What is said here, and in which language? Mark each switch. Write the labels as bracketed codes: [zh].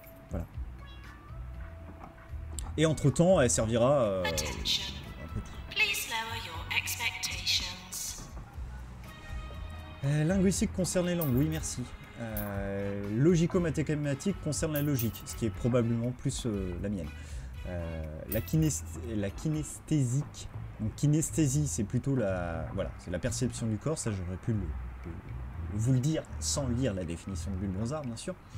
[fr] Voilà. Et entre temps, elle servira un peu tout. [en] Please lower your expectations. [fr] Linguistique concerne les langues, oui merci. Logico-mathématique concerne la logique, ce qui est probablement plus la mienne. La kinesthésique Donc kinesthésie, c'est plutôt la, voilà, c'est la perception du corps, ça j'aurais pu vous le dire sans lire la définition de Bulle Bronzard, bien sûr.